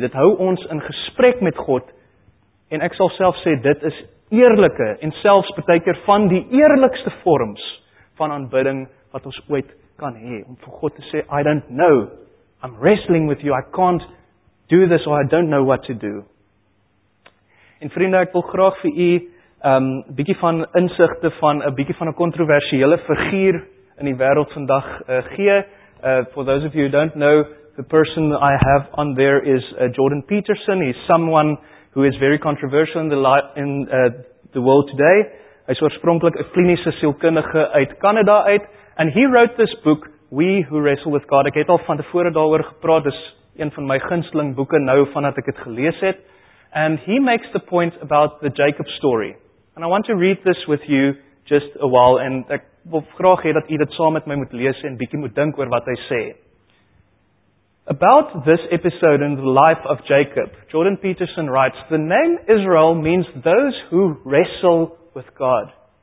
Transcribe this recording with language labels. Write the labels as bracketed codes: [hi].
[af] Dit hou ons in gesprek met God, en ek sal self sê, dit is eerlike, en selfs partykeer van die eerlikste vorms van aanbidding wat ons ooit kan hê, om vir God te sê, [en] I don't know, I'm wrestling with you, I can't do this, or I don't know what to do. [af] En vriende, ek wil graag vir u bietjie van insigte van 'n bietjie van 'n kontroversiële figuur in die wêreld vandag gee. [en] For those of you who don't know, the person I have on there is Jordan Peterson. He's someone who is very controversial in the world today. [af] Hy's oorspronklik 'n kliniese sielkundige uit Kanada uit, [en] and he wrote this book, We Who Wrestle With God. [af] Ek het al van tevore daaroor gepraat, dis een van my gunsteling boeke nou vandat ek het gelees het. [en] And he makes the point about the Jacob story. And I want to read this with you just a while, and [af] ek wil graag hê dat u dit saam met my moet lees en bietjie moet dink oor wat hy sê. [en] About this episode in the life of Jacob, Jordan Peterson writes, "The name Israel means those who wrestle with God."